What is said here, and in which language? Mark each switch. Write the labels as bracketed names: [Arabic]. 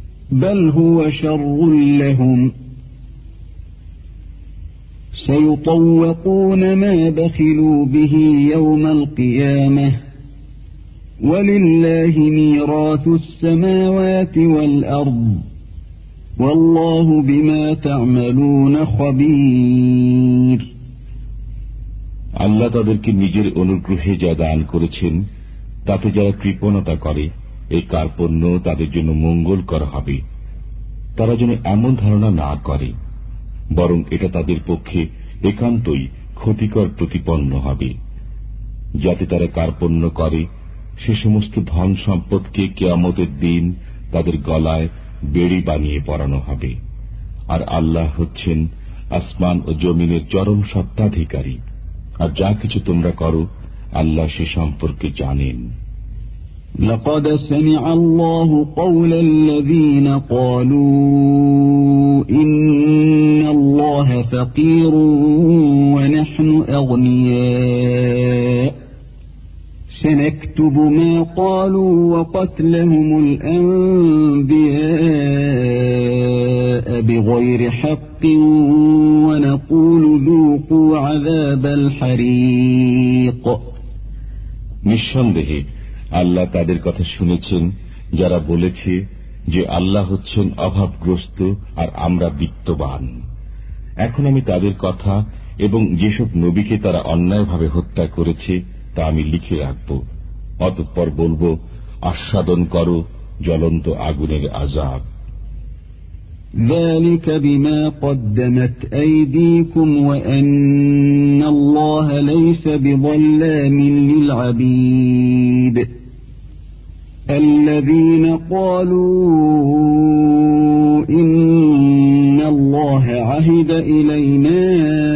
[Arabic] بل هو شر لهم سيطوقون ما بخلوا به يوم القيامة ولله ميراث السماوات والأرض والله بما تعملون خبير. [Bangla] আল্লাহ তাদেরকে নিজের অনুগ্রহে যা দান করেছেন তাতে যারা কৃপণতা করে এই কার্পণ্য তাদের জন্য মঙ্গলকর হবে। তারা যেন এমন ধারণা না করে, বরং এটা তাদের পক্ষে একান্তই ক্ষতিকর প্রতিপন্ন হবে। যাতে তারা কার্পণ্য করে সে সমস্ত ধন সম্পদকে কিয়ামতের দিন তাদের গলায় বেড়ি বানিয়ে পরানো হবে। আর আল্লাহ হচ্ছেন আসমান ও জমিনের চরম সত্তাধিকারী, আর যা কিছু তোমরা করো আল্লাহ সে সম্পর্কে জানেন। [Arabic] لقد سمع الله قول الذين قالوا إن الله فقير ونحن أغنياء سنكتب ما قالوا وقتلهم الأنبياء بغير حق ونقول ذوقوا عذاب الحريق. نشانده [Bangla] আল্লাহ তাদের কথা শুনেছেন যারা বলেছে যে আল্লাহ হচ্ছেন অভাবগ্রস্ত আর আমরা বিত্তবান। এখন আমি তাদের কথা এবং যেসব নবীকে তারা অন্যায়ভাবে হত্যা করেছে তা আমি লিখে রাখব, অতঃপর বলব আস্বাদন করো জ্বলন্ত আগুনের আজাব। [Arabic] ذلك بما قدمت أيديكم وأن الله ليس بظلام للعبيد الذين قالوا إن الله عهد إلينا